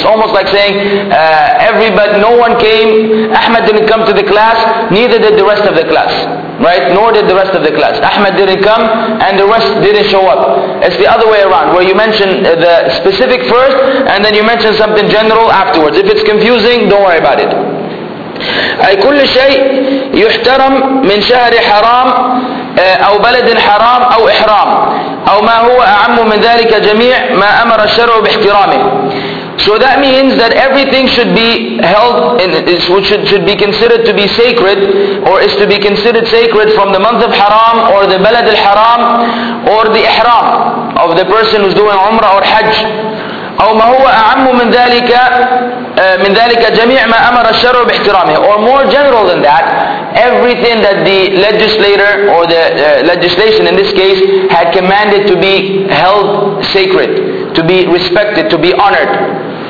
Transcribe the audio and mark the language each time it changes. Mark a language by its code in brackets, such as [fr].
[en] It's almost like saying, everybody, no one came, Ahmed didn't come to the class, neither did the rest of the class. Right? Nor did the rest of the class. Ahmed didn't come and the rest didn't show up. It's the other way around, where you mention the specific first and then you mention something general afterwards. If it's confusing, don't worry about it. [ar] أي كل شيء يحترم من شهر حرام أو بلد حرام أو إحرام أو ما هو أعم من ذلك جميع ما أمر الشرع باحترامه. [en] So that means that everything should be held in, should be considered to be sacred, or is to be considered sacred from the month of Haram or the Balad al-Haram or the Ihram of the person who's doing Umrah or Hajj. [ar] أو ما هو أعم من ذلك جميع ما أمر الشرع باحترامه. [en] Or more general than that, everything that the legislator or the legislation in this case had commanded to be held sacred, to be respected, to be honored.